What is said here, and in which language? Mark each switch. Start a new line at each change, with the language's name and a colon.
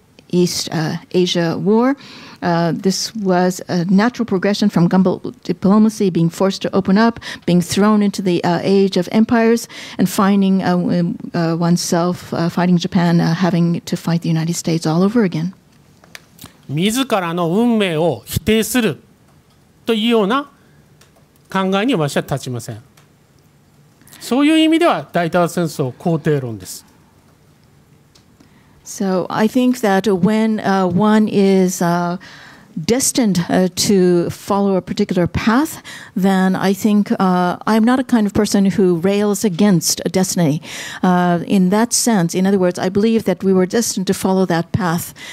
English: East Asia war, this was a natural progression from gunboat diplomacy, being forced to open up, being thrown into the age of empires, and finding oneself, fighting Japan, having to fight the United States all over again.
Japanese: 自らの運命を否定するというような考えに私は立ちません。そういう意味では大東亜戦争肯定論です。
English: So I think that when one is destined to follow a particular path, then I think I'm not a kind of person who rails against a destiny. In that sense, in other words, I believe that we were destined to follow that path.